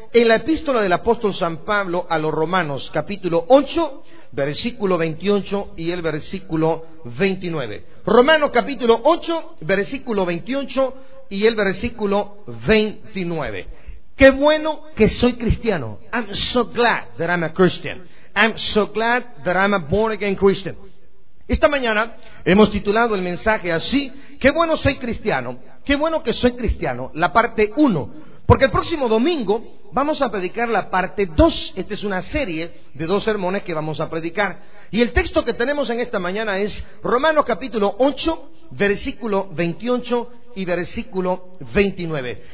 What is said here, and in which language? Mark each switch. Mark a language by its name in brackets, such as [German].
[Spanish] En la epístola del apóstol San Pablo a los Romanos, capítulo 8, versículo 28 y el versículo 29. Romanos capítulo 8, versículo 28 y el versículo 29. Qué bueno que soy cristiano. [English] I'm so glad that I'm a Christian. I'm so glad that I'm a born again Christian. [Spanish] Esta mañana hemos titulado el mensaje así: qué bueno soy cristiano. Qué bueno que soy cristiano, la parte 1. Porque el próximo domingo vamos a predicar la parte 2. Esta es una serie de dos sermones que vamos a predicar. Y el texto que tenemos en esta mañana es Romanos capítulo 8, versículo 28 y versículo 29.